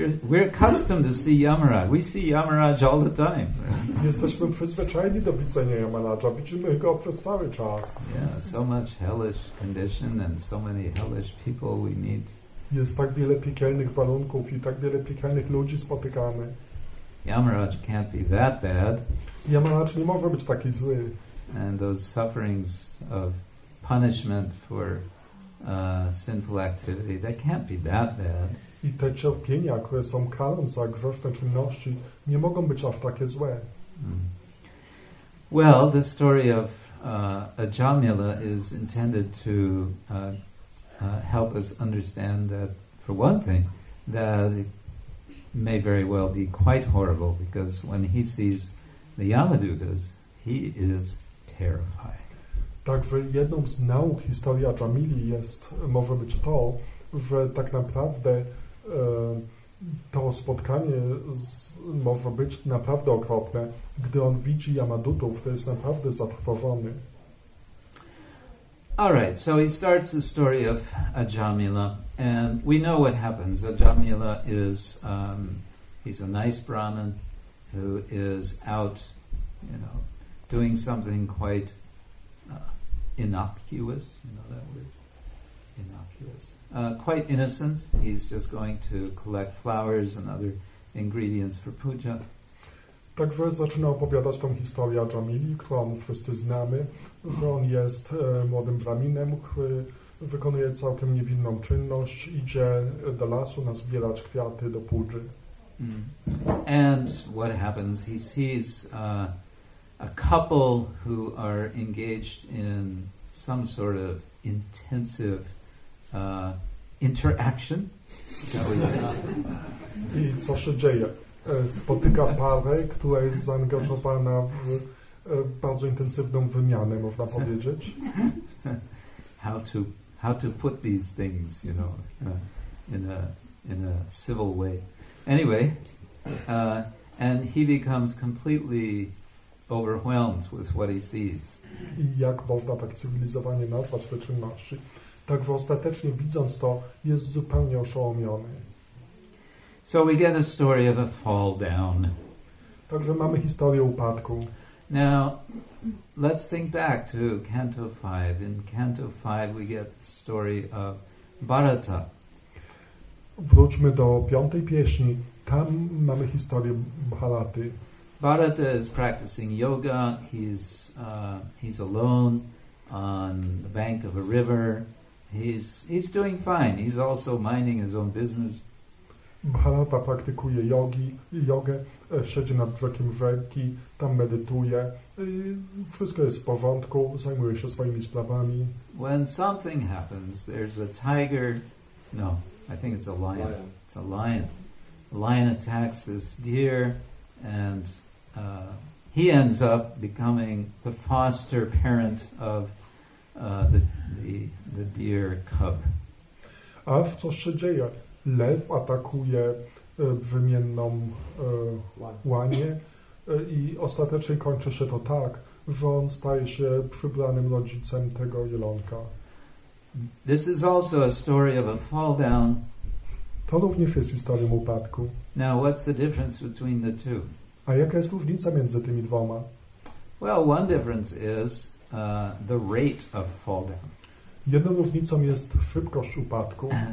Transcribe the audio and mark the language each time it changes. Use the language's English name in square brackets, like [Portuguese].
[English] We're accustomed to see Yamaraj. We see Yamaraj all the time. [Polish] Jesteśmy przyzwyczajeni do widzenia Yamaraja. Widzimy go przez cały czas. [English] Yeah, so much hellish condition and so many hellish people we meet. [Polish] Jest tak wiele piekielnych warunków i tak wiele piekielnych ludzi spotykamy. [English] Yamaraj can't be that bad. [Polish] Yamaraj nie może być taki zły. [English] And those sufferings of punishment for sinful activity, they can't be that bad. [Polish] I te cierpienia, które są karą za grzeszne czynności, nie mogą być aż takie złe. [English] Well, the story of Ajamila is intended to help us understand that, for one thing, that it may very well be quite horrible, because when he sees the Yamadutas, he is terrified. [Polish] Także jedną z nauk historii Ajamili jest, może być to, że tak naprawdę to spotkanie może być naprawdę okropne, gdy on widzi Yamadutów, to jest naprawdę zatrwożony. [English] All right, so he starts the story of Ajamila, and we know what happens. Ajamila is he's a nice Brahmin who is out, you know, doing something quite innocuous. You know that word, innocuous. Quite innocent. He's just going to collect flowers and other ingredients for puja. [Polish] Także zaczyna opowiadać tą historię Ajamili, którą wszyscy znamy, że on jest młodym braminem, który wykonuje całkiem niewinną czynność, idzie do lasu nazbierać kwiaty do puji. [English] Mm. And what happens? He sees a couple who are engaged in some sort of intensive interaction. [Polish] I co się dzieje? Spotyka parę, która jest zaangażowana w bardzo intensywną wymianę, można powiedzieć. [English] How to put these things, you know, in a civil way. Anyway, and he becomes completely overwhelmed with what he sees. [Polish] I jak można tak cywilizowanie nazwać te czynności? Także ostatecznie widząc to, jest zupełnie oszołomiony. [English] So we get a story of a fall down. [Polish] Także mamy historię upadku. [English] Now, let's think back to Canto 5. In Canto 5 we get the story of Bharata. [Polish] Wróćmy do piątej pieśni. Tam mamy historię Bharaty. [English] Bharata is practicing yoga. He's alone on the bank of a river. He's doing fine. He's also minding his own business. [Polish] Bharata praktykuje jogę, siedzi nad brzegiem rzeki, tam medytuje, wszystko jest w porządku, zajmuje się swoimi sprawami. [English] When something happens, there's a tiger, no, I think it's a lion. It's a lion. A lion attacks this deer, and he ends up becoming the foster parent of the deer cub. [Polish] Aż coś się dzieje. Lew atakuje brzemienną łanię i ostatecznie kończy się to tak, że on staje się przybranym rodzicem tego jelonka. [English] This is also a story of a fall down. [Polish] To również jest historią upadku. [English] Now, what's the difference between the two? [Polish] A jaka jest różnica między tymi dwoma? [English] Well, one difference is the rate of fall down. [Polish] Jedną różnicą jest szybkość upadku.